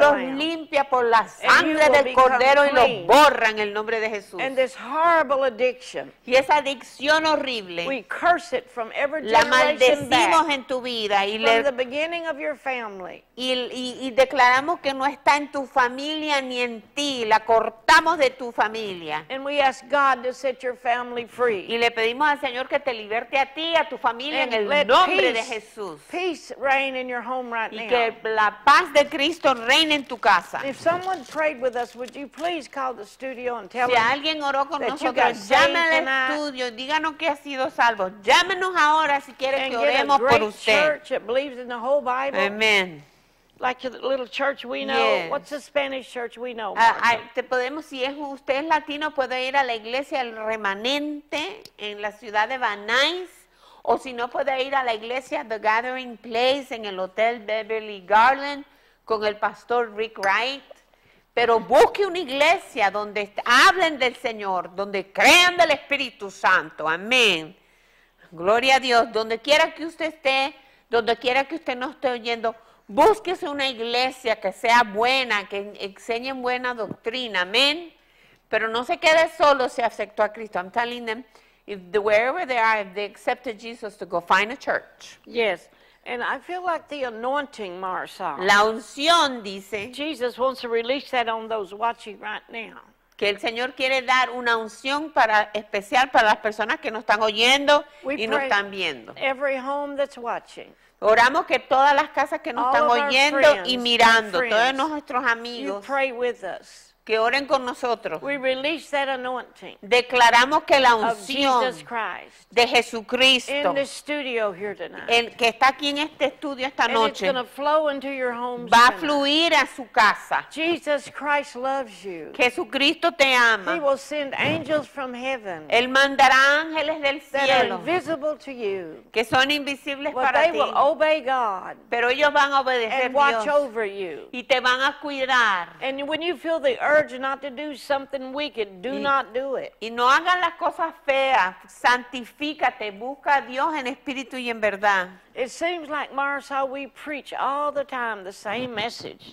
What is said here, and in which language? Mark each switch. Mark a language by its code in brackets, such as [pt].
[es] El Señor los limpia por la sangre del Cordero y los borra en el nombre de Jesús. [en] And this horrible addiction, [es] y esa adicción horrible, [en] we curse it from every [es] la maldecimos [en] back, [es] en tu vida. Y [en] from [es] le, [en] the beginning of your family, [es] y declaramos que no está en tu familia ni en ti, la cortamos de tu familia. [en] And we ask God to set your family free. [es] Y le pedimos al Señor que te liberte a ti, a tu familia, en el nombre de Jesús. [en] Peace reign in your home right now. [es] Y que la paz de Cristo reine en tu casa. [en] If someone prayed with us, would you please call the studio and tell [es] si alguien oró con nosotros, llame al estudio, díganos que ha sido salvo. Llámenos ahora si quiere que oremos por usted. [en] Church that believes in the whole Bible. Amen. Like the little church we know. Yes. What's the Spanish church we know? [es] Te podemos, si es usted es latino, puede ir a la iglesia El Remanente en la ciudad de Van Nuys, o si no puede ir a la iglesia The Gathering Place en el Hotel Beverly Garland con el pastor Rick Wright. Pero busque una iglesia donde hablen del Señor, donde crean del Espíritu Santo. Amén. Gloria a Dios. Donde quiera que usted esté, donde quiera que usted no esté oyendo, búsquese una iglesia que sea buena, que enseñe buena doctrina, amén. Pero no se quede solo si aceptó a Cristo. [en] I'm telling them, if the, wherever they are, if they accepted Jesus, to go find a church. Yes, and I feel like the anointing, Marcia. [es] La unción, dice. [en] Jesus wants to release that on those watching right now. [es] Que el Señor quiere dar una unción para, especial para las personas que nos están oyendo [en] we [es] y nos están viendo. [en] Every home that's watching. [es] Oramos que todas las casas que nos [en] all [es] están oyendo [en] friends, [es] y mirando, [en] friends, [es] todos nuestros amigos, [en] you pray with us. [es] Que oren con nosotros. [en] We release that anointing. [es] Declaramos que la unción [en] of Jesus Christ [es] de Jesucristo [en] in this studio here tonight. [es] El que está aquí en este estudio esta noche, [en] and it's going to flow into your homes. [es] Va a fluir a su casa. [en] Jesus Christ loves you. [es] Jesucristo te ama. [en] He will send angels from heaven. [es] Él mandará ángeles del cielo. [en] That are invisible to you. [es] Que son invisibles [en] but [es] para [en] they [es] ti. [en] Will obey God. [es] Pero ellos van a obedecer [en] and watch [es] Dios [en] over you. [es] Y te van a cuidar. [en] And when you feel the urge not to do something wicked, do not do it. [es] Y no hagan las cosas feas. Santifícate, busca a Dios en espíritu y en verdad. [en] It seems like Marisol, we preach all the time the same message.